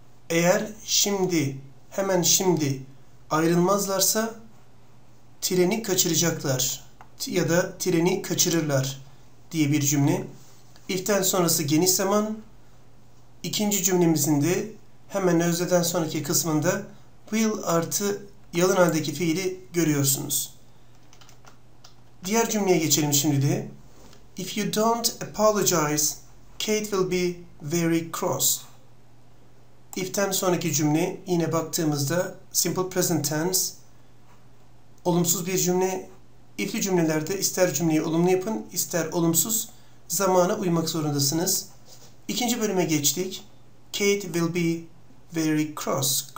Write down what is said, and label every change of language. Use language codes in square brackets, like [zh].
[tr] Eğer şimdi, hemen şimdi ayrılmazlarsa treni kaçıracaklar ya da treni kaçırırlar diye bir cümle. If'ten sonrası geniş zaman. İkinci cümlemizin de hemen özneden sonraki kısmında will artı yalın haldeki fiili görüyorsunuz. Diğer cümleye geçelim şimdi de. [en] If you don't apologize, Kate will be very cross. [tr] If'ten sonraki cümle yine baktığımızda simple present tense. Olumsuz bir cümle. If'li cümlelerde ister cümleyi olumlu yapın, ister olumsuz zamana uymak zorundasınız. İkinci bölüme geçtik. [en] Kate will be very cross.